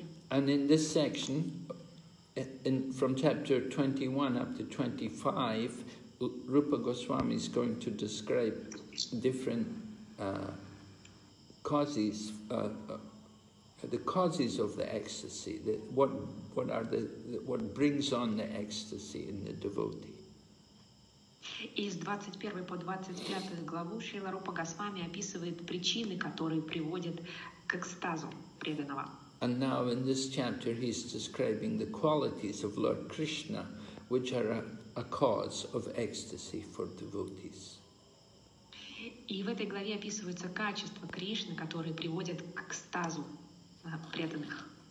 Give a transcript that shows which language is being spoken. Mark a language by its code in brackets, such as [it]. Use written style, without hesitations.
[en] And in this section, in from chapter 21 up to 25, Rupa Goswami is going to describe different causes, the causes of the ecstasy. What brings on the ecstasy in the devotee. [ru] Из 21 по 25 главу Шрила Рупа Госвами описывает причины, которые приводят к экстазу преданного. [en] And now in this chapter he's describing the qualities of Lord Krishna, which are a cause of ecstasy for devotees. [ru] И в этой главе описываются качества Кришны, которые приводят к экстазу преданных.